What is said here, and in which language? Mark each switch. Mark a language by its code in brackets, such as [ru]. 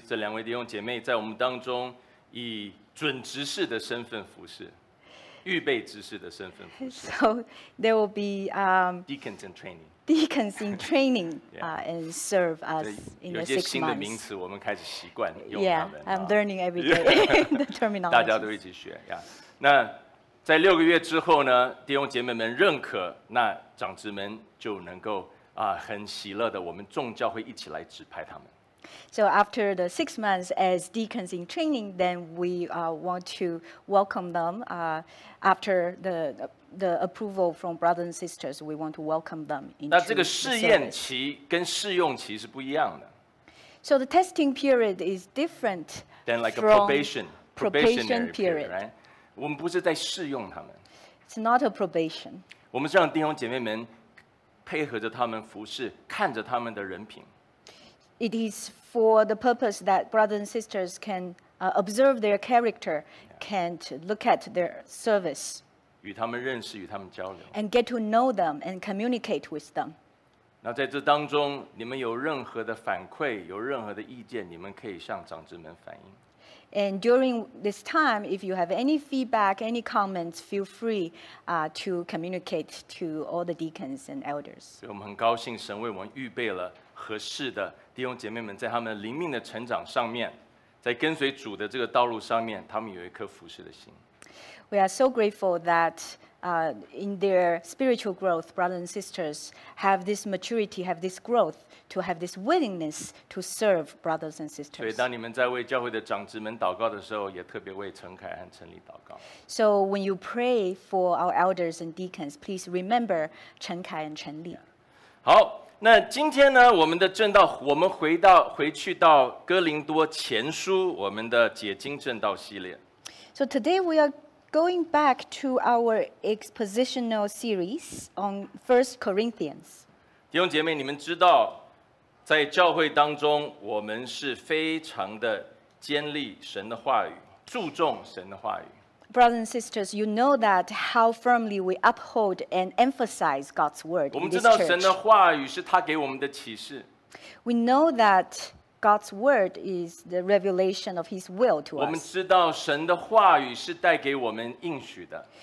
[zh] 这两位弟兄姐妹在我们当中以准执事的身份服事，预备执事的身份服事。 [en] So there will be deacons in training. Deacons in training and serve us in the 6 months. [zh] 有些新的名词，我们开始习惯用它们。 [en] Yeah, I'm learning every day the terminology. [zh] 大家都一起学呀。那在六个月之后呢，弟兄姐妹们认可，那长执们就能够很喜乐的，我们众教会一起来指派他们。 [en] So after the 6 months as deacons in training, then we want to welcome them. After the approval from brothers and sisters, we want to welcome them into the service. [zh] 那这个试验期跟试用期是不一样的。 [en] So the testing period is different than like a probation period, right? [zh] 我们不是在试用他们。 [en] It's not a probation. [zh] 我们是让弟兄姐妹们配合着他们服事，看着他们的人品。 [en] It is for the purpose that brothers and sisters can observe their character, can look at their service. [zh] 与他们认识，与他们交流。 [en] And get to know them and communicate with them. [zh] 那在这当中，你们有任何的反馈，有任何的意见，你们可以向长子们反映。 [en] And during this time, if you have any feedback, any comments, feel free to communicate to all the deacons and elders. [zh] 所以我们很高兴神为我们预备了合适的弟兄姐妹们，在他们灵命的成长上面，在跟随主的这个道路上面，他们有一颗服事的心。 [en] We are so grateful that in their spiritual growth, brothers and sisters have this maturity, have this growth, to have this willingness to serve brothers and sisters. [zh] 所以当你们在为教会的长子们祷告的时候，也特别为陈凯和陈丽祷告。 [en] So when you pray for our elders and deacons, please remember 陈凯 and 陈丽。 [zh] 好，那今天呢，我们的正道，我们回去到哥林多前书，我们的解经正道系列。 [en] So today we are going back to our expositional series on 1 Corinthians. [zh] 弟兄姐妹，你们知道，在教会当中，我们是非常的坚立神的话语，注重神的话语。 [en] Brothers and sisters, you know that how firmly we uphold and emphasize God's word in this church. [zh] 神的话语是他给我们的启示。 [en] We know that God's word is the revelation of His will to us. [zh] 我们知道神的话语是带给我们应许的。